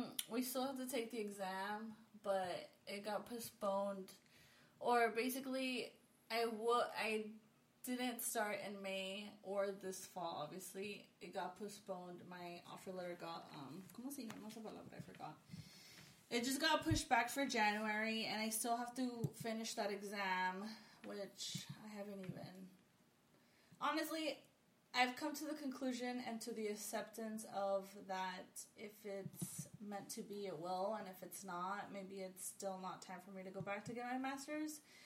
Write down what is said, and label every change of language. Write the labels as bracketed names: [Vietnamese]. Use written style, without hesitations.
[English] We still have to take the exam, but it got postponed. Or basically, I didn't start in May or this fall, obviously. It got postponed. My offer letter got, [Spanish] ¿cómo se llama esa palabra? [English] I forgot. It just got pushed back for January, and I still have to finish that exam, which I haven't even. Honestly, I've come to the conclusion and to the acceptance of that if it's meant to be, it will, and if it's not, maybe it's still not time for me to go back to get my master's.